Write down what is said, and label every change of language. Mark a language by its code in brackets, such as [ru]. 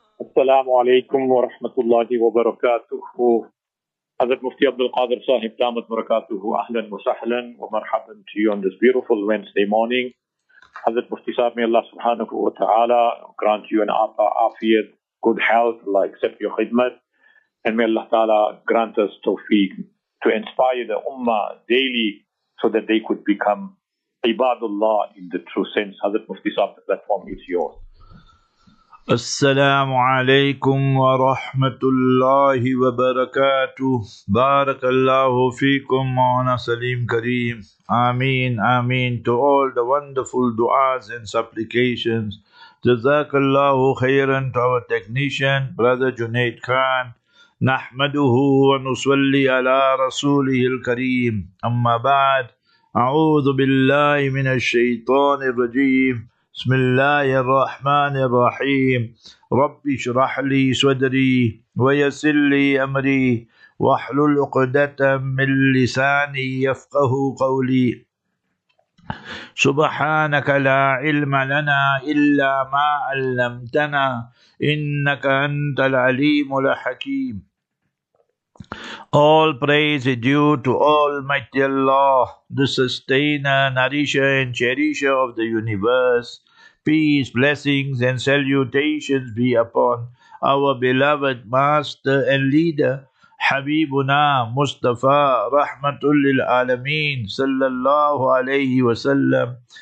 [ar] السلام عليكم ورحمة الله وبركاته. حضرت مفتي عبد القادر صاحب دامة بركاته، أهلا وسهلا ومرحبا [en] to you on this beautiful Wednesday morning. حضرت مفتي صاحب، may Allah سبحانه وتعالى grant you an afiyat, good health, Allah accept your khidmat, and may Allah تعالى grant us tawfiq to inspire the ummah daily so that they could become ibadullah in the true sense. حضرت مفتي صاحب, the platform is yours. [ar] السلام عليكم ورحمة الله وبركاته. بارك الله فيكم مولانا سليم كريم. آمين آمين. [en] To all the wonderful du'as and supplications. Jazakallahu khayran to our technician, brother Junaid Khan. [ar] نحمده ونصلي على رسوله الكريم. أما بعد، أعوذ بالله من الشيطان الرجيم. بسم الله الرحمن الرحيم. رب اشرح لي صدري ويسر لي امري واحلل عقدة من لساني يفقه قولي. سبحانك لا علم لنا الا ما علمتنا انك انت العليم الحكيم. [en] All praise is due to Almighty Allah, the sustainer, nourisher and cherisher of the universe. Peace, blessings and salutations be upon our beloved master and leader, Habibuna Mustafa Rahmatulil Alameen Sallallahu Alaihi Wasallam.